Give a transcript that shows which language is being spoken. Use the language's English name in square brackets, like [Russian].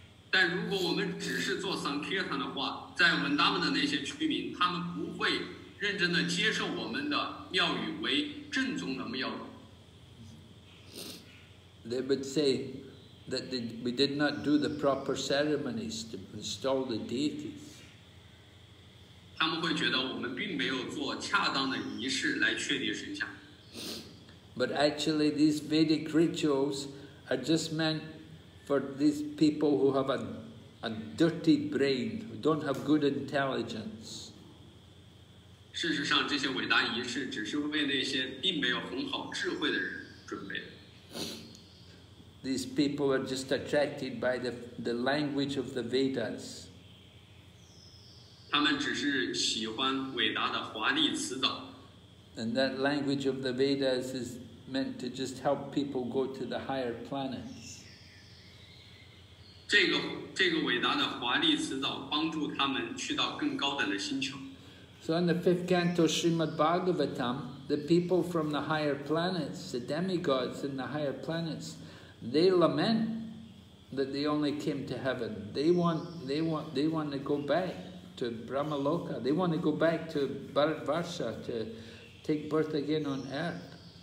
[Chinese] 但如果我们只是做 Sankirtan 的话，在 Vrindavan 的那些居民，他们不会认真地接受我们的庙宇为正宗的庙宇。 [English] They would say that we did not do the proper ceremonies to install the deities. [Chinese] 他们会觉得我们并没有做恰当的仪式来确立神像。 [English] But actually, these Vedic rituals are just meant for these people who have a dirty brain, who don't have good intelligence. [Chinese] 事实上，这些伟大仪式只是为那些并没有很好智慧的人准备的。 [English] These people are just attracted by the language of the Vedas. [Chinese] 他们只是喜欢伟大的华丽辞藻。 [English] And that language of the Vedas is meant to just help people go to the higher planets. [Chinese] 这个伟大的华丽辞藻帮助他们去到更高等的星球。 [English] So in the fifth canto Srimad Bhagavatam, the people from the higher planets, the demigods in the higher planets,They lament that they only came to heaven. They want to go back to Brahmaloka. They want to go back to Bharatvarsha to take birth again on earth.